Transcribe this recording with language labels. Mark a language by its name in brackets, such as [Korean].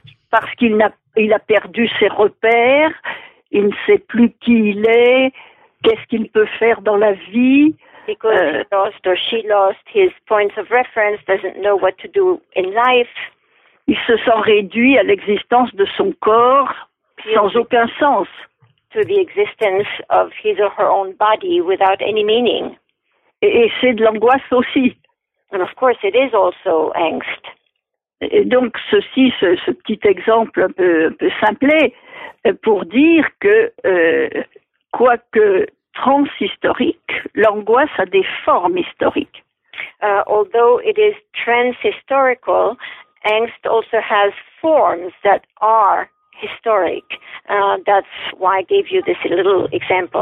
[French] Parce qu'il a perdu ses repères, il ne sait plus qui il est, qu'est-ce qu'il peut faire dans la vie. [English] Because he lost or she lost his points of reference, doesn't know what to do in life. [French] Il se sent réduit à l'existence de son corps sans aucun sens. [English] To the existence of his or her own body without any meaning. [French] Et c'est de l'angoisse aussi. [English] And of course it is also angst. [French] Et donc ceci, ce petit exemple un peu simplet, pour dire que, quoique transhistorique, l'angoisse a des formes historiques. [English] Although it is transhistorical, angst also has forms that are historic. That's why I gave you this little example.